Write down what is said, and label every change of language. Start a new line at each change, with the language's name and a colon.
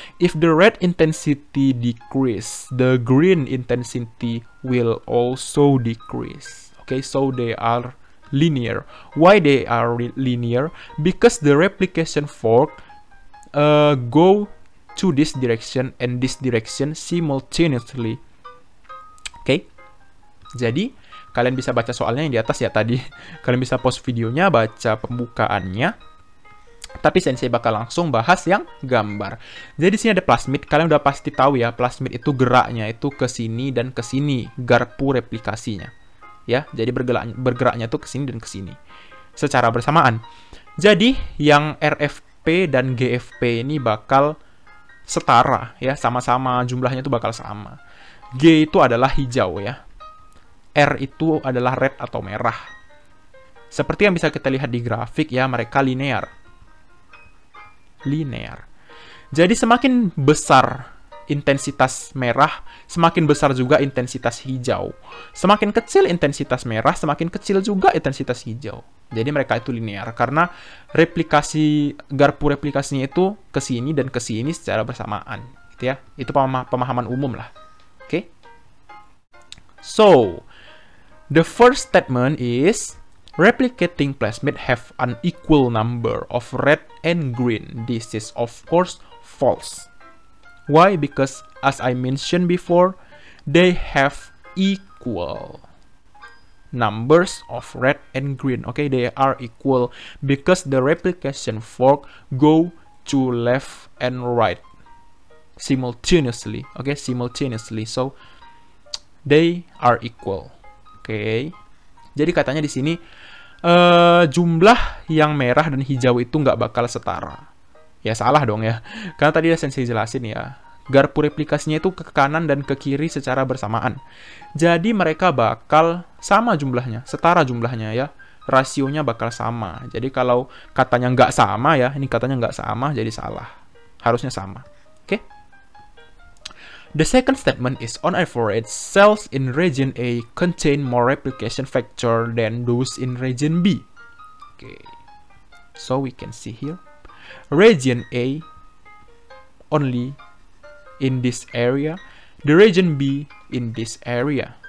English: If the red intensity decrease, the green intensity will also decrease. Okay, so they are linear. Why they are linear? Because the replication fork go to this direction and this direction simultaneously.
Indonesian: Okay, jadi kalian bisa baca soalnya yang di atas ya tadi. Kalian bisa pause videonya, baca pembukaannya. Tapi Sensei bakal langsung bahas yang gambar. Jadi sini ada plasmid. Kalian udah pasti tahu ya, plasmid itu geraknya itu ke sini dan ke sini, garpu replikasinya. Ya, jadi bergeraknya tuh ke sini dan ke sini secara bersamaan. Jadi yang RFP dan GFP ini bakal setara ya, sama-sama jumlahnya tuh bakal sama. G itu adalah hijau ya. R itu adalah red atau merah. Seperti yang bisa kita lihat di grafik ya, mereka linear. Linear. Jadi semakin besar intensitas merah, semakin besar juga intensitas hijau. Semakin kecil intensitas merah, semakin kecil juga intensitas hijau. Jadi mereka itu linear karena replikasi garpu replikasinya itu ke sini dan ke sini secara bersamaan, gitu ya. Itu pemahaman umum lah. Oke. Okay?
English: So, the first statement is replicating plasmid have an equal number of red and green. This is of course false. Why? Because as I mentioned before, they have equal numbers of red and green. Okay, they are equal because the replication fork go to left and right simultaneously. Okay, simultaneously. So they are equal.
Indonesian: Okay, jadi katanya di sini jumlah yang merah dan hijau itu nggak bakal setara. Ya salah dong ya, karena tadi ya Sensei jelasin ya, garpu replikasinya itu ke kanan dan ke kiri secara bersamaan. Jadi mereka bakal sama jumlahnya, setara jumlahnya ya, rasionya bakal sama. Jadi kalau katanya nggak sama ya, ini katanya nggak sama, jadi salah. Harusnya sama. Oke? Okay?
English: The second statement is, on average, cells in region A contain more replication factor than those in region B. Okay, so we can see here, region A only in this area, the region B in this area.